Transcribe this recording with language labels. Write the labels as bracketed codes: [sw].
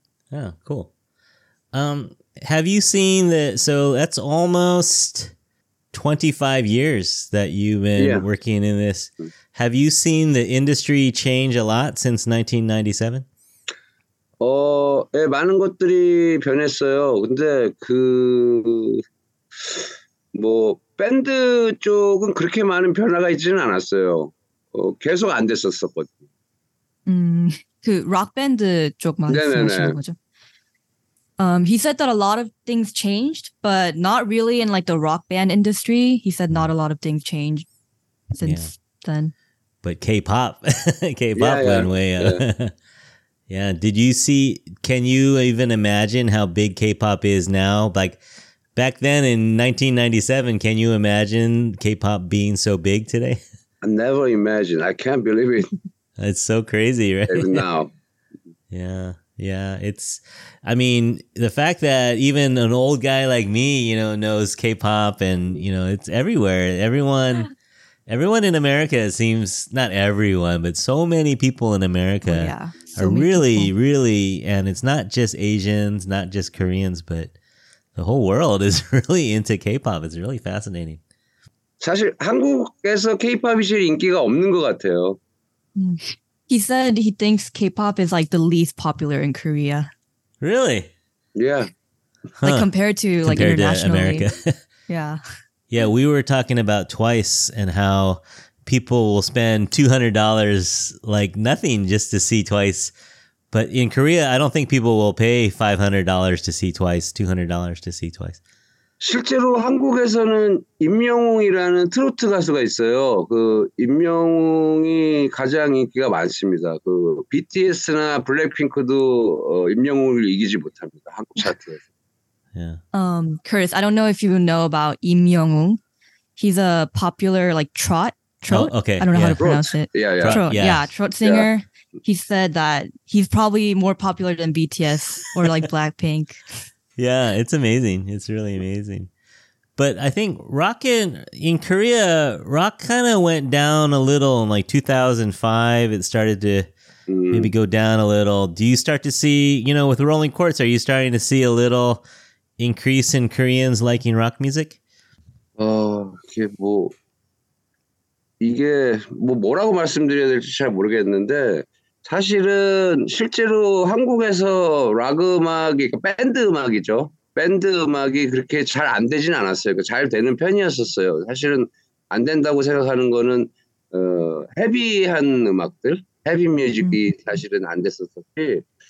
[en] Yeah, cool. Have you seen that? So that's almost 25 years that you've been working in this. Have you seen the industry change a lot since 1997? [ko] 예, 많은 것들이 변했어요. 근데 그 뭐 밴드 쪽은 그렇게 많은 변화가 있지는 않았어요. 계속 안 됐었었거든요. 그 록 밴드 쪽만 말씀하시는 거죠? [en] He said that a lot of things changed, but not really in like the rock band industry. He said not a lot of things changed since then. But K-pop went way up. Yeah, did you see, can you even imagine how big K-pop is now? Like, back then in 1997, can you imagine K-pop being so big today? I never imagined. I can't believe it. It's so crazy, right? Even now. Yeah, it's, I mean, the fact that even an old guy like me, you know, knows K-pop and, you know, it's everywhere. Everyone in America seems, not everyone, but so many people in America. Oh, yeah. Are really, really, and it's not just Asians, not just Koreans, but the whole world is really into K-pop. It's really fascinating. [ko] 사실 한국에서 K-pop이 제일 인기가 없는 것 같아요. [en] He said he thinks K-pop is like the least popular in Korea. Really? Yeah. Like compared to America. Yeah. Yeah, we were talking about Twice and how people will spend $200 like nothing just to see Twice. But in Korea, I don't think people will pay $500 to see Twice, $200 to see Twice. [ko] 실제로 한국에서는 임영웅이라는 트로트 가수가 있어요. 그 임영웅이 가장 인기가 많습니다. 그 BTS나 블랙핑크도 임영웅을 이기지 못합니다. 한국 차트에서. [en] Yeah. Curtis, I don't know if you know about 임영웅. He's a popular like trot. Oh, okay. I don't know how to pronounce it. Trot singer. Yeah. He said that he's probably more popular than BTS or like Blackpink. Yeah, it's amazing. It's really amazing. But I think rock in Korea, rock kind of went down a little in like 2005. It started to maybe go down a little. Do you start to see, you know, with Rolling Quartz, are you starting to see a little increase in Koreans liking rock music? Oh, okay, well. [ko] 이게 뭐 뭐라고 말씀드려야 될지 잘 모르겠는데 사실은 실제로 한국에서 락 음악이 그러니까 밴드 음악이죠. 밴드 음악이 그렇게 잘 안 되진 않았어요. 그러니까 잘 되는 편이었었어요. 사실은 안 된다고 생각하는 거는 헤비한 음악들, 헤비 뮤직이 사실은 안 됐었었지.